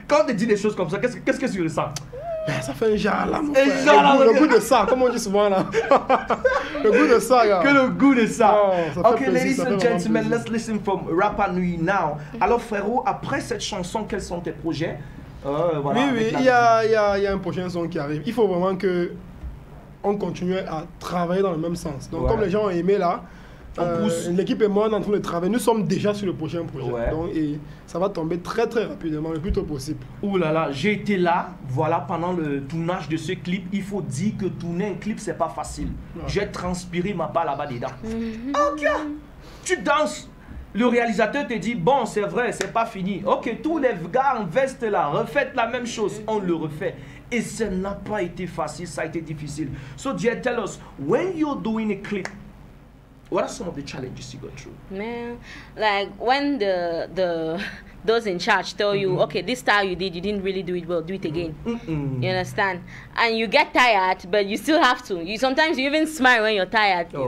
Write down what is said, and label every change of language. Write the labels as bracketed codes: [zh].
[fr] Quand tu dis des choses comme ça, qu'est-ce que tu le sens? Ça fait un genre là, mon frère. Le goût de ça, comme on dit souvent là. Le goût de ça, gars. Que le goût de ça. [en] Ok, ladies and gentlemen, let's listen from Rapa Nui now. [fr] Alors, frérot, après cette chanson, quels sont tes projets? Oui, il y a un prochain son qui arrive. Il faut vraiment qu'on continue à travailler dans le même sens. Donc, comme les gens ont aimé là, l'équipe et moi, on est en train de travailler. Nous sommes déjà sur le prochain projet. Ouais. Donc, et ça va tomber très, très rapidement, le plus tôt possible. Ouh là là, j'ai été là, voilà, pendant le tournage de ce clip. Il faut dire que tourner un clip, c'est pas facile. Ouais. J'ai transpiré ma balle là-bas dedans. Mm-hmm. Ok, tu danses. Le réalisateur te dit, bon, c'est vrai, c'est pas fini. Ok, tous les gars en veste là, refaites la même chose. On le refait. Et ça n'a pas été facile, ça a été difficile. [en] So, Dieu, tell us, when you're doing a clip, what are some of the challenges you got through? Man, like when the those in charge tell you, okay, this style you didn't really do it well, do it again. Mm-mm. You understand? And you get tired, but you still have to. Sometimes you even smile when you're tired. Oh.